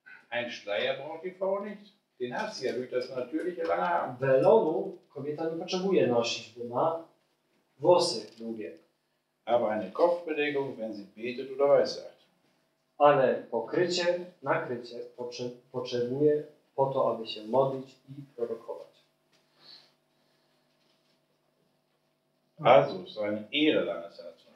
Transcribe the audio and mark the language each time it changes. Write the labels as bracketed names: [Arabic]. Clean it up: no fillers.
[German] Ein Schleier braucht die Frau nicht. Den hat sie ja durch das natürliche lange Haar. [Polish] Welonu kobieta nie potrzebuje nosić, bo ma włosy długie. [German] Aber eine Kopfbedeckung, wenn sie betet oder weissagt. [Polish] Ale pokrycie, nakrycie potrzebuje po to, aby się modlić i prorokować. [German] Also, so eine Ehre lange Zeit.